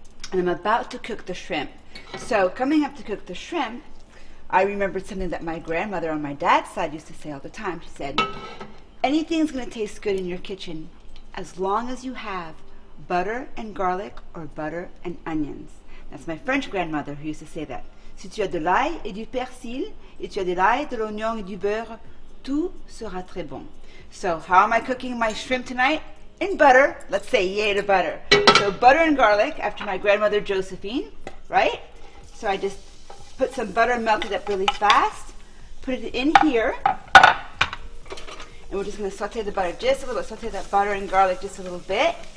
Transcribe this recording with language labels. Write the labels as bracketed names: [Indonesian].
[English] And I'm about to cook the shrimp. So coming up to cook the shrimp, I remembered something that my grandmother on my dad's side used to say all the time. She said, anything's gonna taste good in your kitchen as long as you have butter and garlic or butter and onions. That's my French grandmother who used to say that. [French] Si tu as de l'ail et du persil, et tu as de l'ail, de l'oignon et du beurre, tout sera très bon. [English] So how am I cooking my shrimp tonight? In butter, let's say yay to butter. So butter and garlic after my grandmother Josephine, right? So I just put some butter, melted up really fast, put it in here, and we're just gonna saute the butter just a little bit, saute that butter and garlic just a little bit.